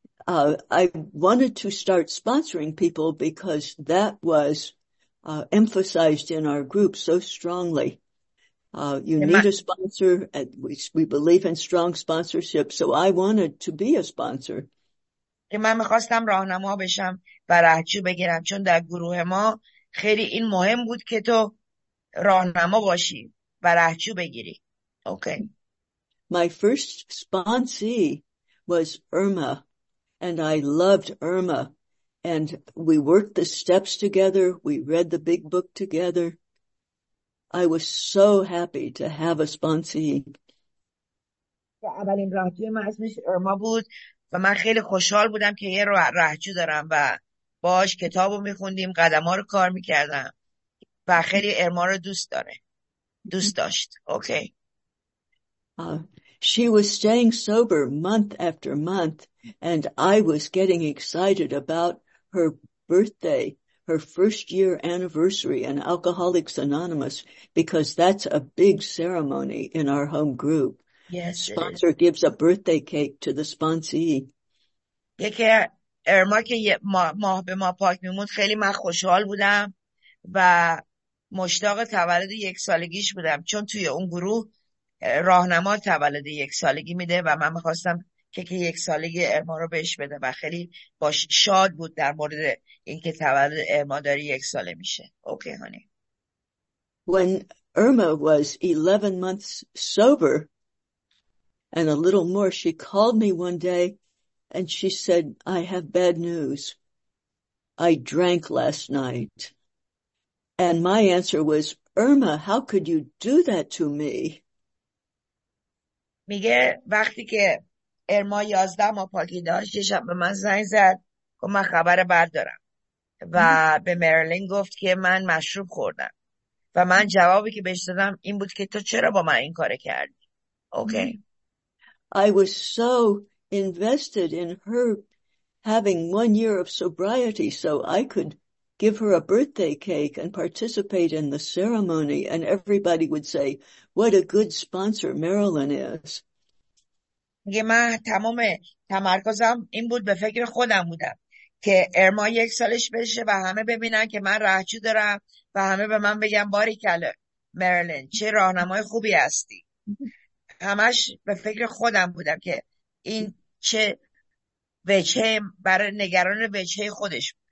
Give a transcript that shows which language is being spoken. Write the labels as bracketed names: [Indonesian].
[English] I wanted to start sponsoring people because that was emphasized in our group so strongly. You need a sponsor, and we believe in strong sponsorship, so I wanted to be a sponsor. [Persian] که من میخواستم راهنما بشم و رهجو بگیرم چون در گروه ما خیلی این مهم بود که تو راهنما باشی و رهجو بگیری. [English] Okay. My first sponsee was Irma, and I loved Irma. And we worked the steps together. We read the big book together. I was so happy to have a sponsee. [Persian] اولین راهجوی من اسمش ارما بود و من خیلی خوشحال بودم که یه راهجو دارم و باش کتاب رو میخوندیم، قدم ها رو کار میکردم و خیلی ارما رو دوست داره، دوست داشت. [English] Okay. She was staying sober month after month, and I was getting excited about her birthday, her first year anniversary in Alcoholics Anonymous, because that's a big ceremony in our home group. Yes, it is. Sponsor gives a birthday cake to the sponsee. [Persian] یکی ارما که ماه به ما پاک میموند خیلی من خوشحال بودم و مشتاق تولد یک سالگیش بودم، چون توی اون گروه راهنما تولد یک سالگی میده و من میخواستم کیک یک سالگی ارما رو بهش بده و خیلی باش شاد بود در مورد اینکه تولد ارما داری یک ساله میشه. [English] Okay honey. When Irma was 11 months sober and a little more, she called me one day and she said, I have bad news. I drank last night. And my answer was, Irma, how could you do that to me? [Persian] میگه وقتی که ارما 11 ماه پاکی داشت یه شب به من زنگ زد که من خبر بد دارم و به مریلین گفت که من مشروب خوردم و من جوابی که بهش دادم این بود که تو چرا با من این کار کردی؟ اوکی. [English] I was so invested in her having 1 year of sobriety so I could give her a birthday cake and participate in the ceremony and everybody would say, what a good sponsor Marilyn is. [Persian] میگه من تمام تمرکزم این بود، به فکر خودم بودم که ارما یک سالش بشه و همه ببینن که من راهجو دارم و همه به من بگن باریکل مریلن چه راهنمای خوبی هستی. همش به فکر خودم بودم که این چه وجهه برای نگران وجهه خودش.